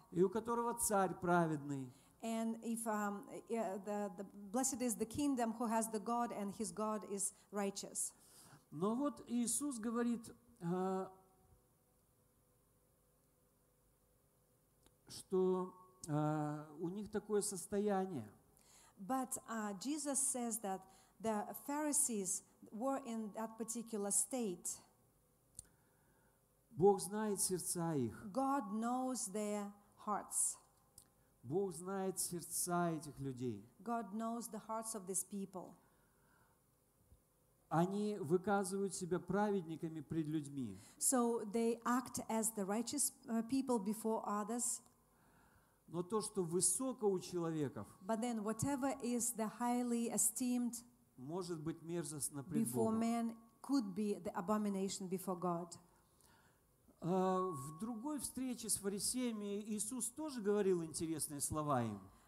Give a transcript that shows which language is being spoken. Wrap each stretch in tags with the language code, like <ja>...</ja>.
<ru>И у которого царь праведный.</ru> <en>And if the blessed is the kingdom who has the God and his God is righteous.</en> <ru>Но вот Иисус говорит, что у них такое состояние.</ru> <en>But Jesus says that the Pharisees were in that particular state.</en> <ru>Бог знает сердца их.</ru> <en>God knows their hearts.</en> <ru>Бог знает сердца этих людей.</ru> <en>God knows the hearts of these people.</en> <ru>Они выказывают себя праведниками пред людьми.</ru> <en>So they act as the righteous people before others.</en> <ru>Но то, что высоко у человеков,</ru> <en>but then whatever is the highly esteemed,</en> <ru>может быть мерзостно пред Богом.</ru> <en>Before man could be the abomination before God.</en> <ru>В другой встрече с фарисеями Иисус тоже говорил интересные слова им.</ru>